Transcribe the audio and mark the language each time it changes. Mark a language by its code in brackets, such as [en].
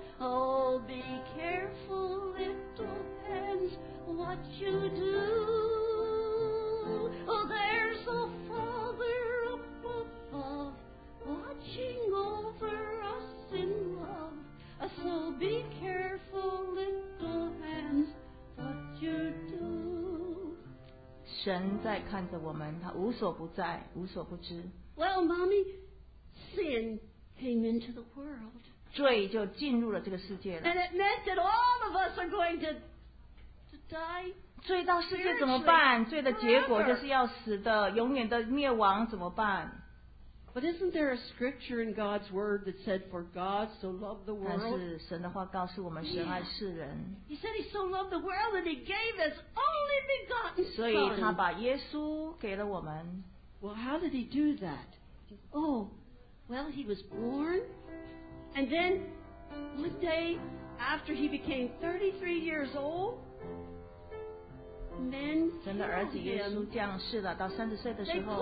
[en] Oh, be careful, little hands, what you do. Oh, there's a Father up above, watching over us in love. So be careful, little hands, what you do. [zh] 神在看着我们，他无所不在，无所不知。 [en] Well, Mommy, sin. Came into the world. [zh] 罪就进入了这个世界了。 [en] And it meant that all of us are going to die. [zh] 罪到世界怎么办？罪的结果就是要死的，永远的灭亡怎么办？ [en] But isn't there a scripture in God's word that said, "For God so loved the world"? [zh] 但是神的话告诉我们，神爱世人。 [en] He said He so loved the world that He gave His only begotten Son. [zh] 所以他把耶稣给了我们。 [en] Well, how did He do that? Oh. Well, he was born, and then one day after he became 33 years old, men killed him. [zh] 真的，儿子耶稣降世了，到三十岁的时候。